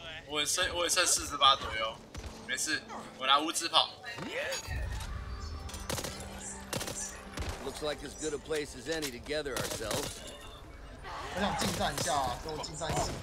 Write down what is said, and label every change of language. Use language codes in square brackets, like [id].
[zh] 我也剩48左右，没事，我拿五指跑。 [en] Looks like as good a place as any to gather ourselves. [zh] 我想近战一下，跟我近战一下。